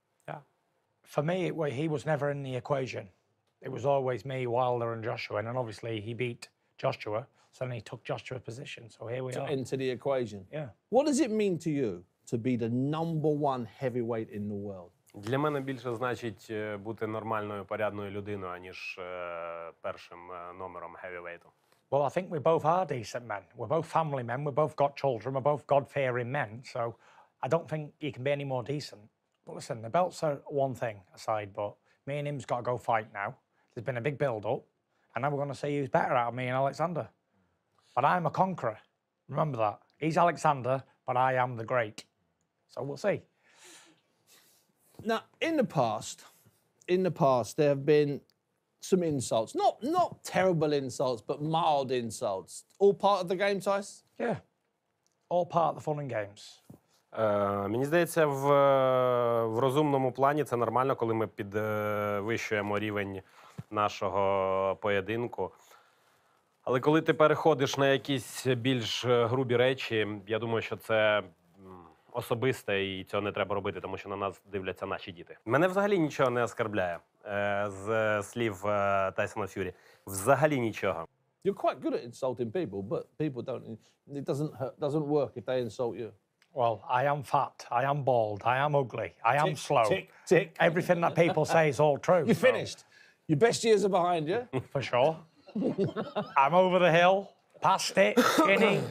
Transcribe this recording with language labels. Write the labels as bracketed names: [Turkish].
[English] Yeah. For me, he was never in the equation. It was always me, Wilder and Joshua, and obviously he beat Joshua, so then he took Joshua's position, so here we are. Into the equation. Yeah. What does it mean to you to be the number one heavyweight in the world? [Ukrainian] Для мене більше значить бути нормальною, порядною людиною, аніж першим номером heavyweight. [English] Well, I think we both are decent men. We're both family men, we've both got children, we're both God-fearing men, so I don't think you can be any more decent. But listen, the belts are one thing aside, but me and him's got to go fight now. There's been a big build-up, and now we're going to see who's better out of me and Oleksandr. But I'm a conqueror. Remember that. He's Oleksandr, but I am the great. So we'll see. Now, in the past, there have been some insults. Not terrible insults, but mild insults. All part of the game, Tyson? Yeah. All part of the fun and games. [Ukrainian] Мені здається, в розумному плані це нормально, коли ми підвищуємо рівень нашого поєдинку. Але коли ти переходиш на якісь більш грубі речі, я думаю, що це особисте і цього не треба робити, тому що на нас дивляться наші діти. Мене взагалі нічого не оскарбляє з слів Тайсона Фюрі. Взагалі нічого. [English] You're quite good at insulting people, but people don't... It doesn't work if they insult you. Well, I am fat, I am bald, I am ugly, I am tick, slow. Tick, tick. Everything that people say is all true. You're finished. Your best years are behind you. For sure. I'm over the hill, past it, skinny,